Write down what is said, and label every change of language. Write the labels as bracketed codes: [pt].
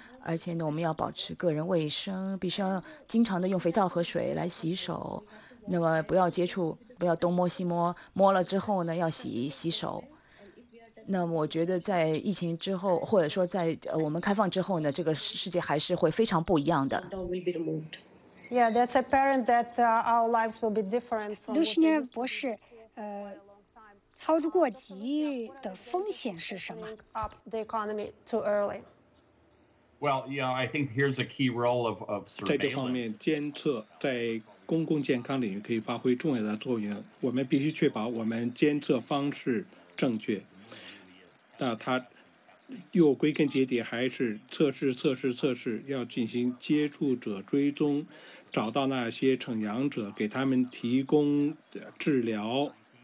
[zh] 而且呢，我们要保持个人卫生，必须要经常的用肥皂和水来洗手，那么不要接触，不要东摸西摸，摸了之后呢要洗手。那么我觉得在疫情之后，或者说在我们开放之后呢，这个世界还是会非常不一样的。 [en] Yeah, that's apparent that our lives will be different. [zh] 卢士涅博士，操之过急的风险是什么 [en] ？Up the economy too early. Well, yeah, I think here's a key role of surveillance. [zh] 在这方面，监测在公共健康领域可以发挥重要的作用。我们必须确保我们监测方式正确。那它又归根结底还是测试，要进行接触者追踪，找到那些呈阳者，给他们提供治疗。